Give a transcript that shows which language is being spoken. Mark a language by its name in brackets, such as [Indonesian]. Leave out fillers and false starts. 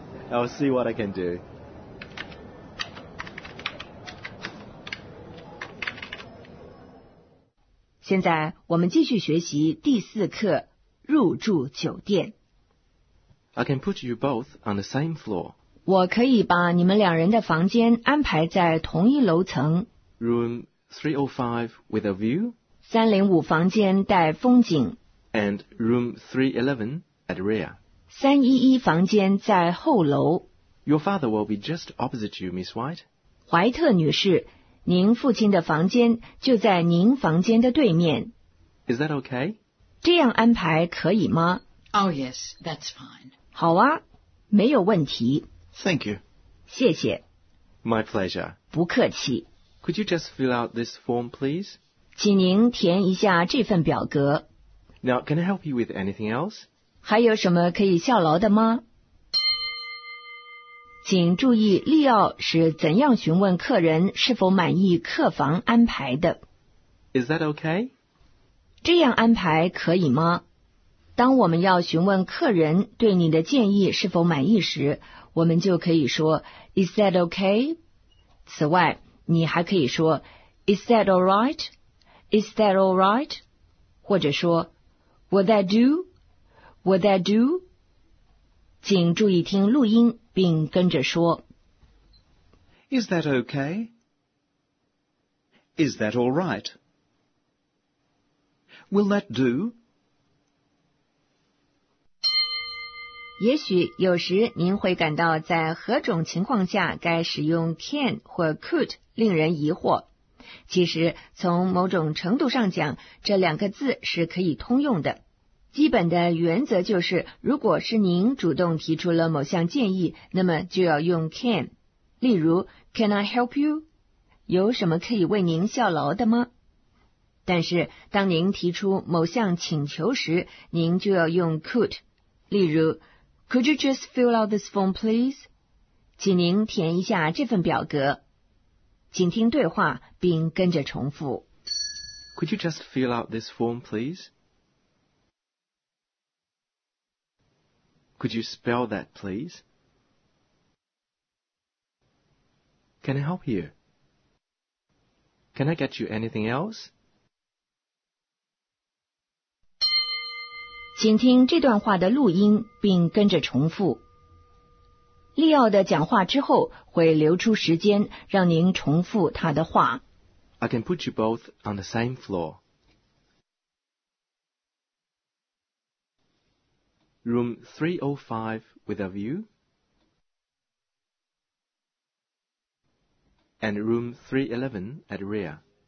[English] I'll see what I can do. Now, we'll continue to learn the 4th lesson, Hotel. I can put you both on the same floor. [Chinese] 我可以把你们两人的房间安排在同一楼层。 [English] Room 305 with a view. [Chinese] 305房间带风景 [English] and room 311 at rear [Chinese] 311房间在后楼 [English] Your father will be just opposite you, Miss White [Chinese] 怀特女士，您父亲的房间就在您房间的对面 [English] Is that okay? [Chinese] 这样安排可以吗 [English] Oh yes, that's fine [Chinese] 好啊，没有问题 [English] Thank you [Chinese] 谢谢 [English] My pleasure [Chinese] 不客气 [English] Could you just fill out this form, please? [Chinese] 请您填一下这份表格。 [English] Now, can I help you with anything else? [Chinese] 还有什么可以效劳的吗？请注意利奥是怎样询问客人是否满意客房安排的。 [English] Is that okay? [Chinese] 这样安排可以吗？当我们要询问客人对你的建议是否满意时，我们就可以说 [English] Is that okay? [Chinese] 此外，你还可以说 [English] Is that all right? Is that all right? [Chinese] 或者说 [English] Would that do? Would that do? [Chinese] 请注意听录音并跟着说。 [English] Is that okay? Is that all right? Will that do? [Chinese] 也许有时您会感到在何种情况下该使用 can 或 could 令人疑惑。其实从某种程度上讲，这两个字是可以通用的。基本的原则就是，如果是您主动提出了某项建议，那么就要用 can。例如 [English] ,can I help you? [Chinese] 有什么可以为您效劳的吗？但是当您提出某项请求时，您就要用 could。例如 [English] ,could you just fill out this form, please? [Chinese] 请您填一下这份表格。请听对话并跟着重复。 [English] Could you just fill out this form, please? Could you spell that, please? Can I help you? Can I get you anything else? [Chinese] 请听这段话的录音并跟着重复。利奥的讲话之后会留出时间让您重复他的话。 [English] I can put you both on the same floor. Room 305 with a view. And room 311 at rear.